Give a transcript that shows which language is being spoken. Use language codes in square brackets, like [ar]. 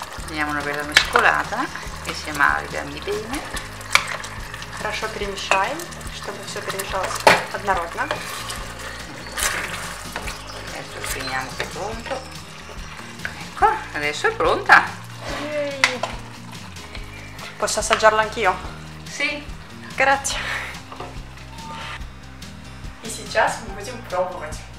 [it] Diamo una bella mescolata, che si amalgami bene. [ru] Хорошо перемешаем, чтобы все перемешалось однородно. [it] Adesso finiamo che è pronto. Ecco, adesso è pronta. Yay. Posso assaggiarla anch'io? Sì. Grazie. [ru] И сейчас мы будем пробовать.